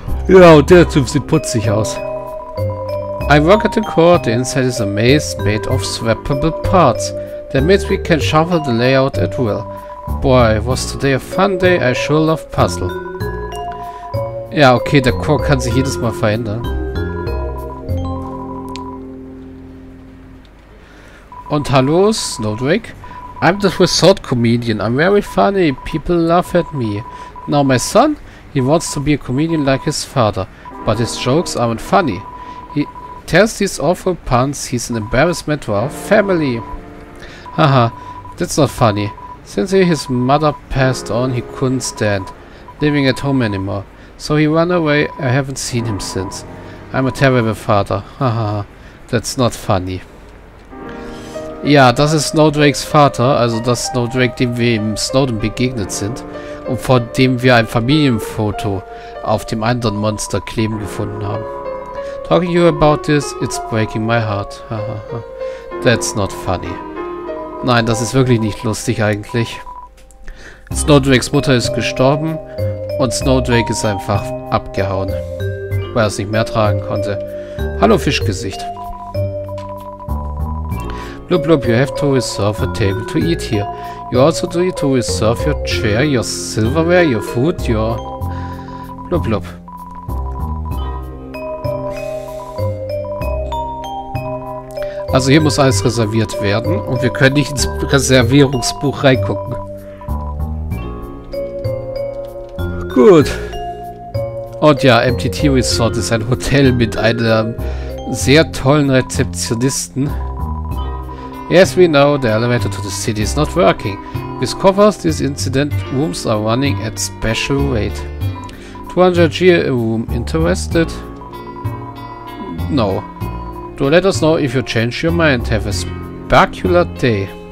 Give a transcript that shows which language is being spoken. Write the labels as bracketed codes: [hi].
[de] Ja, und der Typ sieht putzig aus. [en] I work at the core. The inside is a maze made of swappable parts. That means we can shuffle the layout at will. Boy, was today a fun day, I sure love puzzle. [de] Ja, okay, der Chor kann sich jedes Mal verändern. Und hallo, Snowdrake. [en] I'm the resort comedian, I'm very funny, people laugh at me. Now my son, he wants to be a comedian like his father, but his jokes aren't funny. He tells these awful puns, he's an embarrassment to our family. Haha, that's not funny. Since his mother passed on, he couldn't stand living at home anymore. So he ran away. I haven't seen him since. I'm a terrible father. Haha, that's not funny. [de] Ja, das ist Snowdrakes Vater, also das Snowdrake, dem wir im Snowden begegnet sind und vor dem wir ein Familienfoto auf dem anderen Monster kleben gefunden haben. [en] Talking to you about this, it's breaking my heart. That's not funny. [de] Nein, das ist wirklich nicht lustig eigentlich. Snowdrakes Mutter ist gestorben und Snowdrake ist einfach abgehauen, weil er es nicht mehr tragen konnte. Hallo Fischgesicht. [en] Blub blub, you have to reserve a table to eat here. You also need to reserve your chair, your silverware, your food, your... Blub blub. [de] Also hier muss alles reserviert werden und wir können nicht ins Reservierungsbuch reingucken. Gut. Und ja, MTT Resort ist ein Hotel mit einem sehr tollen Rezeptionisten. [en] As we know, the elevator to the city is not working. With covers, this incident rooms are running at special rate. 200 G a room. Interested? No. Do let us know if you change your mind. Have a spectacular day.